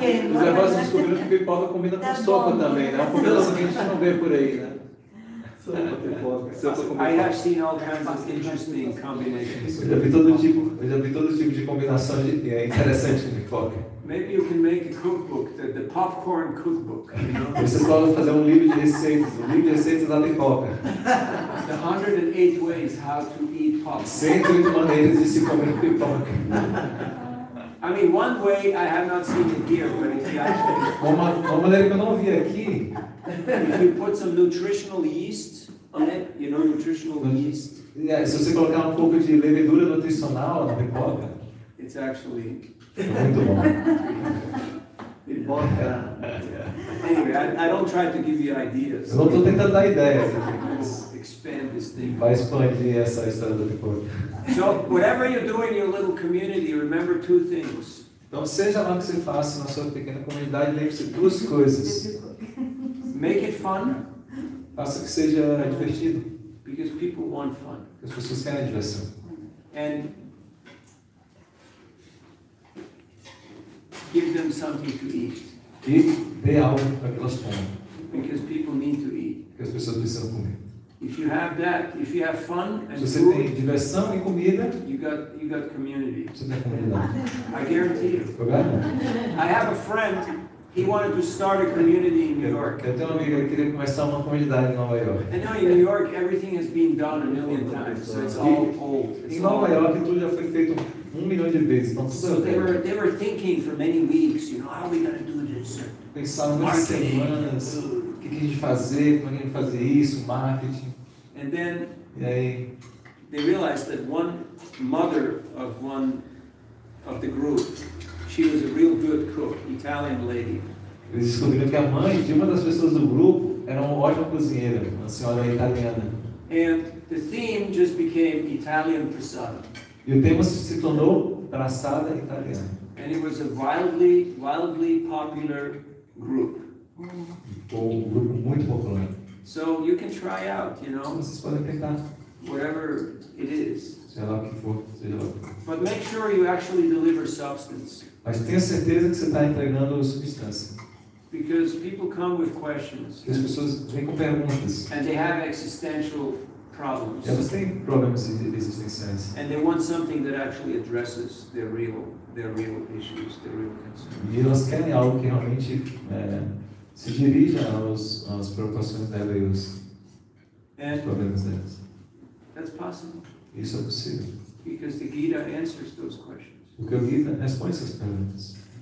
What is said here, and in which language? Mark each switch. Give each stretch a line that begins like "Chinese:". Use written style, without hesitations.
Portuguese: Os avós descobriram que pipoca combina com sopa também, né? Uma comida que a gente não vê por aí, né?
English: I have seen all kinds of interesting combinations.
Portuguese: Eu vi todo tipo de combinação interessante de pipoca.
English: Maybe you can make a cookbook, the popcorn cookbook.
Portuguese: Você pode fazer um livro de receitas da pipoca.
English: The 108 ways how to eat popcorn.
Portuguese: 108 maneiras de se comer pipoca.
English: I mean, one way I have not seen it here, but if you actually...
Portuguese: Uma maneira que eu não vi aqui.
English: If you put some nutritional yeast on it, you know, nutritional yeast.
Portuguese: Yeah, se você colocar pouco de levedura nutricional na pipoca.
English: It's actually...
Portuguese: Muito bom. Pipoca.
English: Anyway, I don't try to give you ideas.
Portuguese: Eu não estou tentando dar ideias.
English: Expand this thing.
Portuguese: Vai expandir essa história da pipoca.
English: So, whatever you do in your little community, remember 2 things.
Portuguese: Então, seja lá o que você faça na sua pequena comunidade, lembre-se 2 coisas.
English: Make it fun.
Portuguese: Faça que seja divertido.
English: Because people want fun.
Portuguese: Porque as pessoas querem diversão.
English: And give them something to eat.
Portuguese: E dê algo para que elas comam.
English: Because people need to eat.
Portuguese: Porque as pessoas precisam comer.
English: If you have that, if you have fun and
Portuguese: você
English: food,
Portuguese: tem diversão e comida,
English: you got community.
Portuguese: Você tem comunidade.
English: I guarantee you.
Portuguese: Obrigado.
English: I have a friend. He wanted to start a community in New York.
Portuguese: Eu tenho um amigo que queria começar uma comunidade em Nova York.
English: And now in New York, everything has been done a million times, so it's all old.
Portuguese: Em Nova York, tudo já foi feito 1 milhão de vezes. Então,
English: so they were thinking for many weeks. You know, how are we going to do this?
Portuguese: Pensaram muitas semanas. O que a gente fazer, como a gente fazer isso, marketing.
English: And then,
Portuguese: e aí,
English: they realized that one mother of one of the group, she was a real good cook, Italian lady.
Portuguese: Eles descobriram que a mãe de uma das pessoas do grupo era uma ótima cozinheira, uma senhora italiana.
English: And the theme just became Italian prasada.
Portuguese: E o tema se tornou prasada italiana.
English: And it was a wildly, wildly popular group.
Portuguese: Um grupo muito popular.
English: So you can try out, you know.
Portuguese: Vocês podem tentar.
English: Whatever it is.
Portuguese: Sei lá o que for, seja lá.
English: But make sure you actually deliver substance.
Portuguese: Mas tenha certeza que você está entregando substância.
English: Because people come with questions.
Portuguese: Porque as pessoas vêm com perguntas.
English: And they have existential problems.
Portuguese: Elas têm problemas existenciais.
English: And they want something that actually addresses their real issues, their real concerns.
Portuguese: E elas querem algo que realmente se dirija às preocupações dela e aos problemas delas.
English: That's possible.
Portuguese: Isso é possível.
English: Because the Gita answers those questions.
Portuguese: Porque o Gita responde essas perguntas.